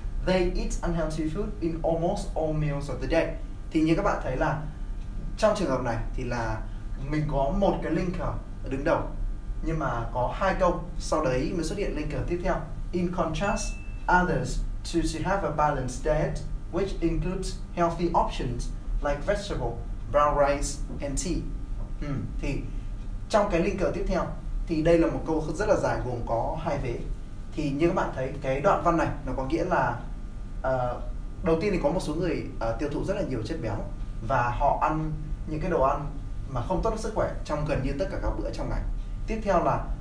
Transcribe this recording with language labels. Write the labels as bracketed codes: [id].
[en] They eat unhealthy food in almost all meals of the day. [vi] Thì như các bạn thấy là trong trường hợp này thì là mình có một cái linker đứng đầu, nhưng mà có hai câu sau đấy mới xuất hiện linker tiếp theo. [en] In contrast, others choose to have a balanced diet which includes healthy options like vegetable, brown rice and tea. [vi] Thì trong cái linker tiếp theo thì đây là một câu rất là dài gồm có hai vế. Thì như các bạn thấy cái đoạn văn này nó có nghĩa là đầu tiên thì có một số người tiêu thụ rất là nhiều chất béo và họ ăn những cái đồ ăn mà không tốt cho sức khỏe trong gần như tất cả các bữa trong ngày. Tiếp theo là